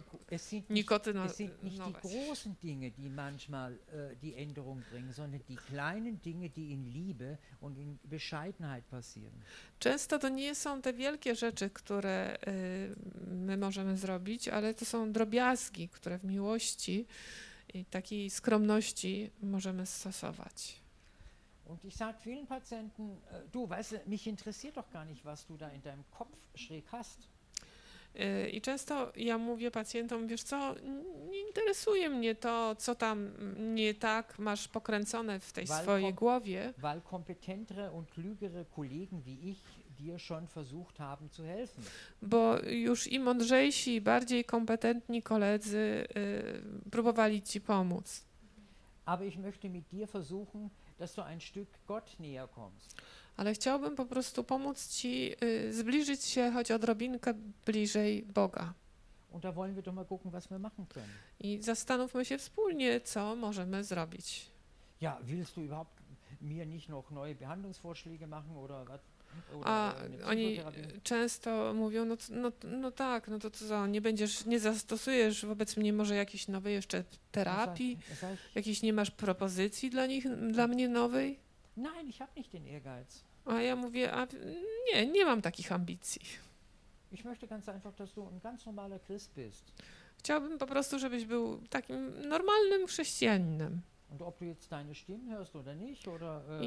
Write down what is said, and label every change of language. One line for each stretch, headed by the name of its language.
German: es sind nicht die großen Dinge, die manchmal die Änderung bringen, sondern die kleinen Dinge, die in Liebe und in Bescheidenheit passieren.
Polish: Często to nie są te wielkie rzeczy, które my możemy zrobić, ale to są drobiazgi, które w miłości i takiej skromności możemy stosować.
German: Und ich sage vielen Patienten, du weißt, mich interessiert doch gar nicht, was du da in deinem Kopf schräg hast.
Polish: I często ja mówię pacjentom, wiesz co, nie interesuje mnie to, co tam nie tak masz pokręcone w tej swojej głowie.
German: Weil kompetentere und klügere Kollegen wie ich dir schon versucht haben zu helfen.
Polish: Bo już i mądrzejsi, bardziej kompetentni koledzy próbowali ci pomóc.
German: Aber ich möchte mit dir versuchen, dass du ein Stück Gott näher kommst.
Polish: Ale chciałbym po prostu pomóc ci zbliżyć się choć odrobinkę bliżej Boga.
German: Und da wollen wir doch mal gucken, was wir machen können.
Polish: I zastanówmy się wspólnie, co możemy zrobić.
German: Ja, willst du überhaupt mir nicht noch neue Behandlungsvorschläge machen oder was?
Polish: A oni często mówią, no to co, nie będziesz, nie zastosujesz wobec mnie może jakiejś nowej jeszcze terapii, jakiejś nie masz propozycji dla nich, dla mnie nowej?
German: Nein, ich habe nicht den Ehrgeiz.
Polish: A ja mówię, a nie mam takich ambicji.
German: Ich möchte ganz einfach, dass du ein ganz normaler Christ bist.
Polish: Chciałbym po prostu, żebyś był takim normalnym chrześcijaninem.
German: Und ob du jetzt deine Stimme hörst oder nicht, oder